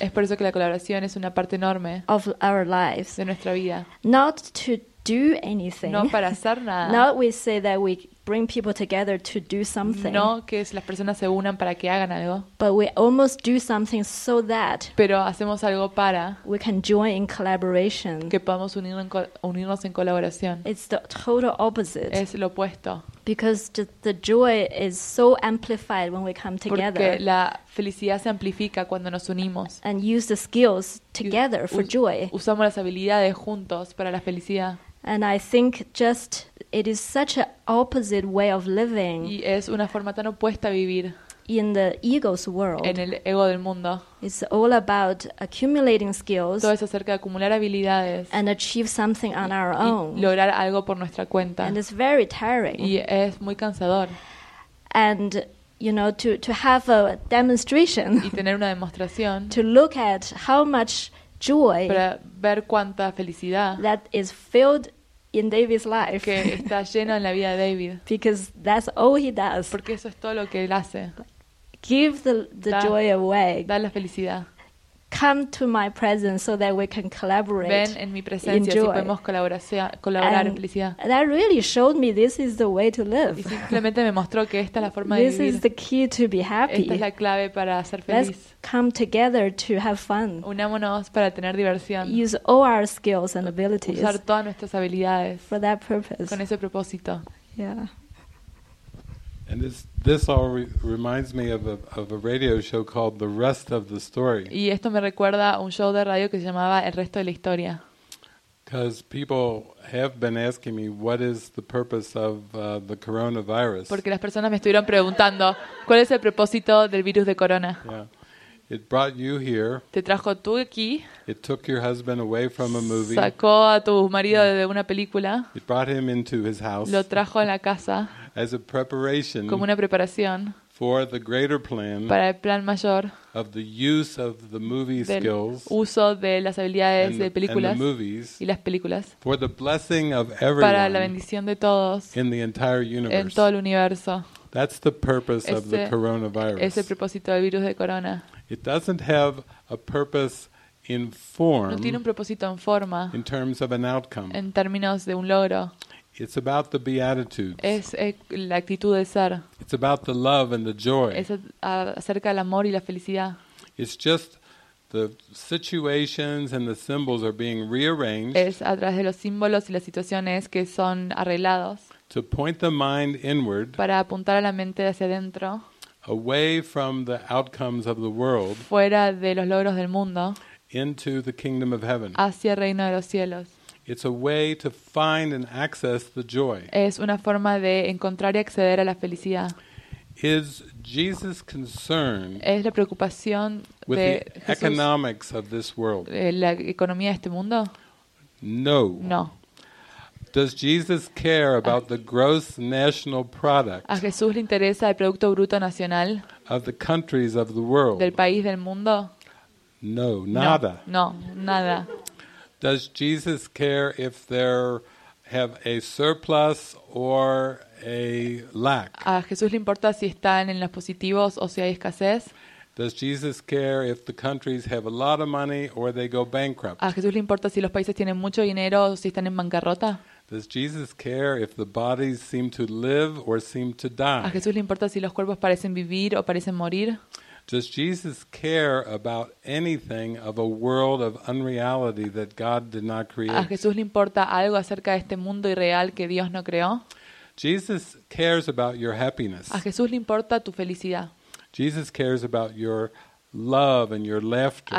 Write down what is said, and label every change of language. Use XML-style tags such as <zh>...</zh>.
<es>Es por eso que la colaboración es una parte enorme</es> <en>of our lives.</en> <es>De nuestra vida.</es> <en>Not to do anything.</en> <es>No para hacer nada.</es> <en>Not we say that we bring people together to do something.</en> <es>No que si las personas se unan para que hagan algo.</es> <en>But we almost do something so that.</en> <es>Pero hacemos algo para.</es> <en>We can join in collaboration.</en> <es>Que podamos unirnos en colaboración.</es> <en>It's the total opposite.</en> <es>Es lo opuesto.</es> <en>Because the joy is so amplified when we come together.</en> <es>Porque la felicidad se amplifica cuando nos unimos.</es> <en>And use the skills together for joy.</en> <es>Usamos las habilidades juntos para la felicidad.</es> <en>And I think just it is such an opposite way of living.</en> <es>Y es una forma tan opuesta a vivir.</es> <en>In the ego's world.</en> <es>En el ego del mundo.</es> <en>It's all about accumulating skills.</en> <es>Todo es acerca de acumular habilidades.</es> <en>And achieve something on our own.</en> <es>Y lograr algo por nuestra cuenta.</es> <en>And it's very tiring.</en> <es>Y es muy cansador.</es> <en>And you know, to have a demonstration.</en> <es>Y tener una demostración.</es> <en>To look at how much joy.</en> <es>Para ver cuánta felicidad.</es> <en>That is filled in David's life.</en> <es>Que está lleno en la vida de David.</es> <en>Because that's all he does.</en> <es>Porque eso es todo lo que él hace.</es> <en>Give the da, joy away.</en> <es>Da la felicidad.</es> <en>Come to my presence so that we can collaborate.</en> <es>Ven en mi presencia si podemos colaborar en felicidad.</es> <en>That really showed me this is the way to live.</en> <es>Y simplemente me mostró que esta es la forma</es> <en>this</en> <es>de vivir.</es> <en>This is the key to be happy.</en> <es>Esta es la clave para ser feliz.</es> <en>Let's come together to have fun.</en> <es>Unámonos para tener diversión.</es> <en>Use all our skills and abilities.</en> <es>Usar todas nuestras habilidades.</es> <en>For that purpose.</en> <es>Con ese propósito.</es> <en>Yeah. And this all reminds me of a radio show called The Rest of the Story.</en> <es>Y esto me recuerda a un show de radio que se llamaba El Resto de la Historia.</es> <en>Because people have been asking me what is the purpose of the coronavirus.</en> <es>Porque las personas me estuvieron preguntando cuál es el propósito del virus de corona.</es> <en>Yeah. It brought you here.</en> <es>Te trajo tú aquí.</es> <en>It took your husband away from a movie.</en> <es>Sacó a tu marido de una película.</es> <en>It brought him into his house.</en> <es>Lo trajo a la casa.</es> <en>As a preparation.</en> <es>Como una preparación.</es> <en>For the greater plan.</en> <es>Para el plan mayor.</es> <en>Of the use of the movie skills.</en> <es>Uso de las habilidades de películas.</es> <en>And the movies.</en> <es>Y las películas.</es> <en>For the blessing of everyone.</en> <es>Para la bendición de todos.</es> <en>In the entire universe.</en> <es>En todo el universo.</es> <en>That's the purpose of the coronavirus.</en> <es>Es el propósito del virus de corona.</es> <en>It doesn't have a purpose in form.</en> <es>No tiene un propósito en forma.</es> <en>In terms of an outcome.</en> <es>En términos de un logro.</es> <en>It's about the beatitudes.</en> <es>Es la actitud de ser.</es> <en>It's about the love and the joy.</en> <es>Es acerca del amor y la felicidad.</es> <en>It's just the situations and the symbols are being rearranged.</en> <es>Es a través de los símbolos y las situaciones que son arreglados.</es> <en>To point the mind inward.</en> <es>Para apuntar a la mente hacia adentro.</es> <en>Away from the outcomes of the world.</en> <es>Fuera de los logros del mundo.</es> <en>Into the kingdom of heaven.</en> <es>Hacia el reino de los cielos.</es> <en>It's a way to find and access the joy.</en> <es>Es una forma de encontrar y acceder a la felicidad.</es> <en>Is Jesus concerned?</en> <es>Es la preocupación de</es> <en>with the economics of this world.</en> <es>La economía de este mundo.</es> <en>No.</en> <es>No.</es> <en>Does Jesus care about the gross national product?</en> <es>¿A Jesús le interesa el producto bruto nacional?</es> <en>Of the countries of the world.</en> <es>Del país del mundo. No, nada. No, no, nada.</es> <en>Does Jesus care if they have a surplus or a lack?</en> <es>¿A Jesús le importa si están en los positivos o si hay escasez?</es> <en>Does Jesus care if the countries have a lot of money or they go bankrupt?</en> <es>¿A Jesús le importa si los países tienen mucho dinero o si están en bancarrota?</es> <en>Does Jesus care if the bodies seem to live or seem to die?</en> <es>¿A Jesús le importa si los cuerpos parecen vivir o parecen morir?</es> <en>Does Jesus care about anything of a world of unreality that God did not create?</en> <es>¿A Jesús le importa algo acerca de este mundo irreal que Dios no creó?</es> <en>Jesus cares about your happiness.</en> <es>¿A Jesús le importa tu felicidad?</es> <en>Jesus cares about your love and your laughter.</en>